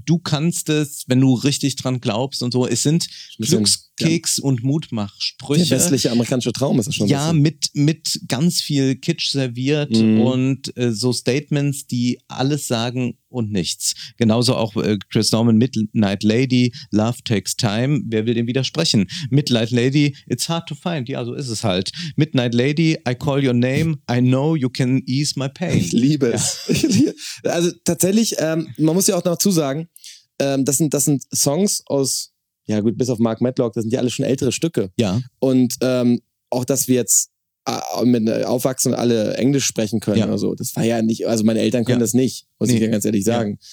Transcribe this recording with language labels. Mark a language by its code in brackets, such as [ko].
[de] Du kannst es, wenn du richtig dran glaubst und so. Es sind Glückskeks und Mutmachsprüche. Der westliche amerikanische Traum ist es schon. Ja, mit ganz viel Kitsch serviert und so Statements, die alles sagen und nichts. Genauso auch Chris Norman, Midnight Lady, Love Takes Time. Wer will dem widersprechen? [en] Midnight Lady, it's hard to find. [de] Ja, so ist es halt. [en] Midnight Lady, I call your name. I know you can ease my pain. [de] Ich liebe es. Also tatsächlich, man muss ja auch noch zusagen, das sind Songs aus, ja gut, bis auf Mark Medlock, das sind ja alle schon ältere Stücke. Ja. Und auch, dass wir jetzt mit aufwachsen und alle Englisch sprechen können oder so. Das war ja nicht, also meine Eltern können das nicht, muss ich dir ganz ehrlich sagen.